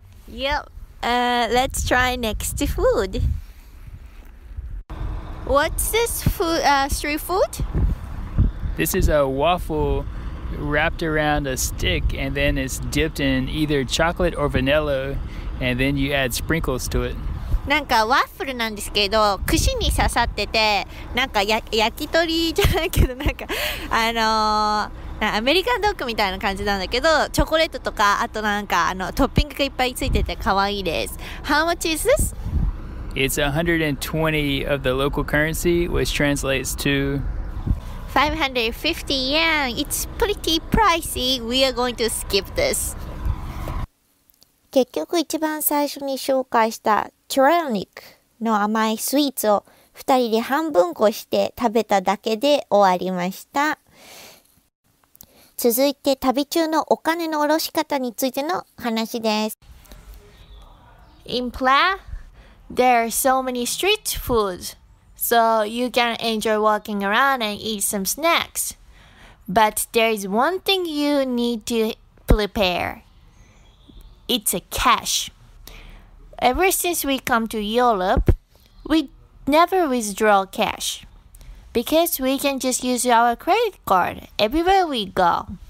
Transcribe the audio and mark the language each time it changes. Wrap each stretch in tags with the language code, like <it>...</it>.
<en>Yep, let's try next food. What's this street food? This is a waffle wrapped around a stick and then it's dipped in either chocolate or vanilla and then you add sprinkles to it.</en> <ja>なんかワッフルなんですけど、串に刺さってて、なんか焼き鳥じゃないけど、なんかアメリカンドッグみたいな感じなんだけど、チョコレートとか、あとなんかトッピングがいっぱいついてて可愛いです。</ja> <en>How much is this? It's 120 of the local currency, which translates to 550 yen. It's pretty pricey. We are going to skip this.</en> <ja>結局一番最初に紹介したチュラニックの甘いスイーツを2人で半分こして食べただけで終わりました。続いて旅中のお金の下ろし方についての話です。</ja> <en>In Prague, there are so many street foods, so you can enjoy walking around and eat some snacks. But there is one thing you need to prepare. It's a cash. Ever since we come to Europe, we never withdraw cash because we can just use our credit card everywhere we go.</en>